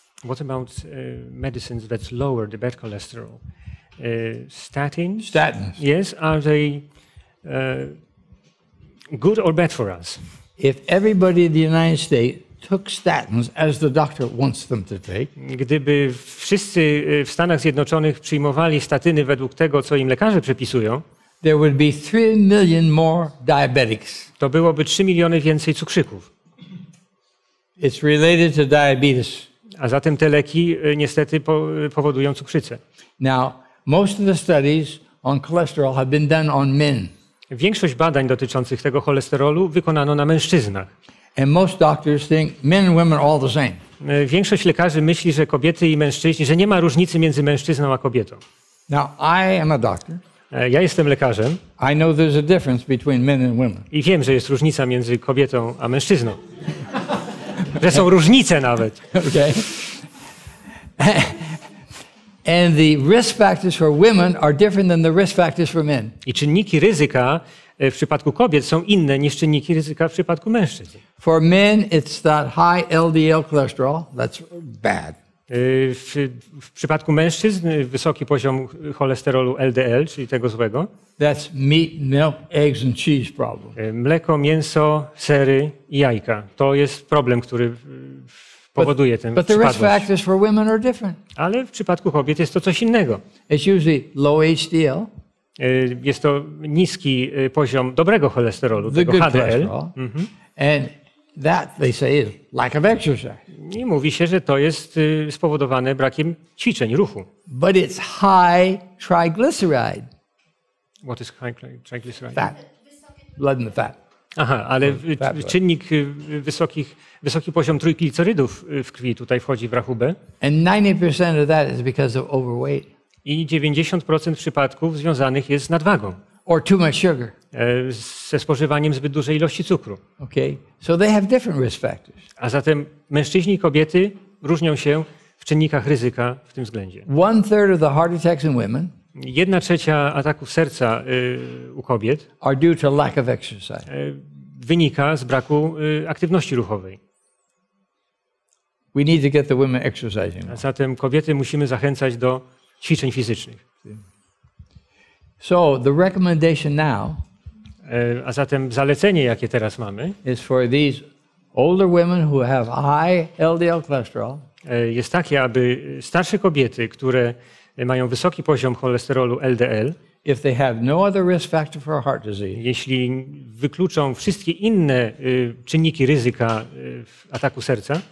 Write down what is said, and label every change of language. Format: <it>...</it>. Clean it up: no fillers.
<en>What about medicines that lower the bad cholesterol? Statins. Yes, are they good or bad for us? If everybody in the United States took statins as the doctor wants them to take.</en> <pl>Gdyby wszyscy w Stanach Zjednoczonych przyjmowali statyny według tego, co im lekarze przepisują,</pl> <en>there would be 3 million more diabetics.</en> <pl>To byłoby 3 miliony więcej cukrzyków.</pl> <en>It's related to diabetes.</en> <pl>A zatem te leki niestety powodują cukrzycę.</pl> <en>Now, most of the studies on cholesterol have been done on men.</en> <pl>Większość badań dotyczących tego cholesterolu wykonano na mężczyznach.</pl> <en>And most doctors think men and women are all the same.</en> <pl>Większość lekarzy myśli, że kobiety i mężczyźni, że nie ma różnicy między mężczyzną a kobietą.</pl> <en>Now, I am a doctor.</en> <pl>Ja jestem lekarzem.</pl> <en>I know there's a difference between men and women.</en> <pl>I wiem, że jest różnica między kobietą a mężczyzną. Że są różnice nawet.</pl> <en>Okay. And the risk factors for women are different than the risk factors for men.</en> <pl>I czynniki ryzyka w przypadku kobiet są inne niż czynniki ryzyka w przypadku mężczyzn.</pl> <en>For men it's that high LDL cholesterol, that's bad.</en> <pl>W przypadku mężczyzn wysoki poziom cholesterolu LDL, czyli tego złego.</pl> <en>That's meat, milk, eggs and cheese problem.</en> <pl>Mleko, mięso, sery i jajka. To jest problem, który powoduje ten</pl> <en>but the risk factors for women are different.</en> <pl>Ale w przypadku kobiet jest to coś innego.</pl> <en>It's usually low HDL.</en> <pl>Jest to niski poziom dobrego cholesterolu,</pl> <en>the</en> <pl>tego HDL.</pl> <en>And that they say is lack of exercise.</en> <pl>I mówi się, że to jest spowodowane brakiem ćwiczeń, ruchu.</pl> <en>But it's high triglyceride. What is high triglyceride? Fat. Blood in the fat.</en> <pl>Aha, ale czynnik wysoki poziom trójglicerydów w krwi tutaj wchodzi w rachubę.</pl> <en>And 90% of that is because of overweight.</en> <pl>I 90% przypadków związanych jest z nadwagą.</pl> <en>Or too much sugar.</en> <pl>Ze spożywaniem zbyt dużej ilości cukru.</pl> <en>Okay. So they have different risk factors.</en> <pl>A zatem mężczyźni i kobiety różnią się w czynnikach ryzyka w tym względzie.</pl> <en>One third of the heart attacks in women.</en> <pl>1/3 ataków serca u kobiet</pl> <en>are due to lack of exercise.</en> <pl>Wynika z braku aktywności ruchowej.</pl> <en>We need to get the women exercising.</en> <pl>A zatem kobiety musimy zachęcać do ćwiczeń fizycznych.</pl> <en>So the recommendation now,</en> <pl>a zatem zalecenie, jakie teraz mamy,</pl> <en>is for these older women who have high LDL cholesterol,</en> <pl>jest takie, aby starsze kobiety, które mają wysoki poziom cholesterolu LDL,</pl> <en>if they have no other risk factor for heart disease,</en> <pl>jeśli wykluczą wszystkie inne czynniki ryzyka w ataku serca,</pl>